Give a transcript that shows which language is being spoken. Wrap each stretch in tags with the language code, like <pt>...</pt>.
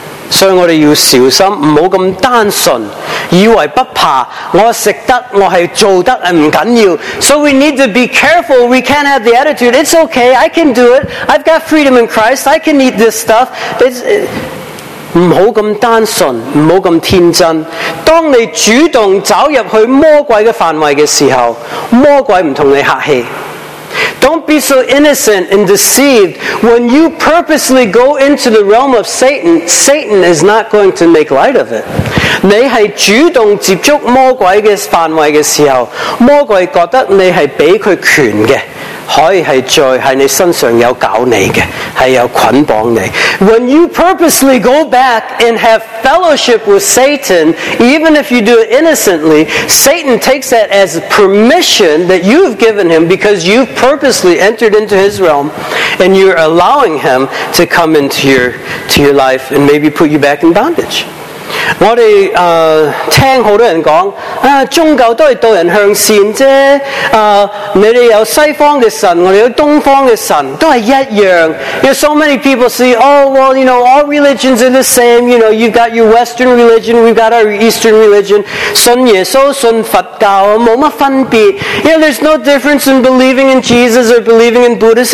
<zh>所以我们要小心，不要那么单纯以为不怕，我吃得，我是做得，不紧要。</zh> <en>So we need to be careful. We can't have the attitude, it's okay, I can do it, I've got freedom in Christ, I can eat this stuff.</en> <zh>不要那么单纯，不要那么天真。当你主动走入去魔鬼的范围的时候，魔鬼不跟你客气。</zh> <en>Don't be so innocent and deceived. When you purposely go into the realm of Satan, Satan is not going to make light of it.</en> <zh>你是主动接触魔鬼的范围的时候，魔鬼觉得你是给他权的，可以是罪在你身上有搞你的，是有捆绑你。</zh> <en>When you purposely go back and have fellowship with Satan, even if you do it innocently, Satan takes that as permission that you've given him because you've purposely entered into his realm and you're allowing him to come into your life and maybe put you back in bondage.</en> <zh>我们听很多人说、宗教都是道人向善啫、你们有西方的神，我们有东方的神，都是一样。</zh> <en>You know, so many people see, oh well, you know, all religions are the same. You know, you've got your western religion, we've got our eastern religion.</en> <zh>信耶稣信佛教没什么分别。</zh> <en>You know, there's no difference in believing in Jesus or believing in Buddhists.</en>